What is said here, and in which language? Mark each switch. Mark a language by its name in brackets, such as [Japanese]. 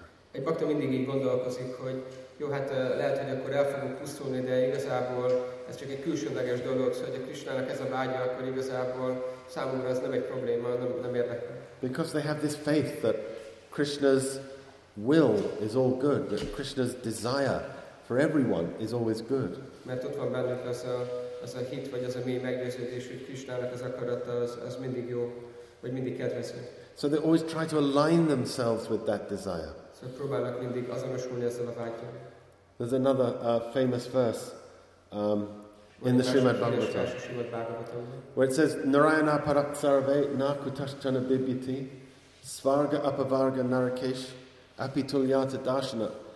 [Hungarian] Egy bakta mindig így gondolkozik, hogy jó, hát lehet, hogy akkor el fogunk pusztulni, de igazából ez csak egy külsődleges dolog, szóval, hogy a Krishnának ez a vágya, akkor igazából számomra ez nem egy probléma, nem érdekel. [English] Because they have this faith that Krishna's will is all good, that Krishna's desire for everyone is always good. [Hungarian] Mert ott van bennük az a hit, vagy az a mély meggyőződés, hogy Krishnának az akarata az mindig jó, vagy mindig kedvező. [English] So they always try to align themselves with that desire. [Hungarian] Szóval próbálnak mindig azonosulni ezzel a vágyal. [English] There's another famous verse in the Srimad Bhagavatam, where it says, [Sanskrit] Narayana Paraksarve Nakutashchana Bibhiti Svarga Apavarga Narakesh Apituliyata Darshana.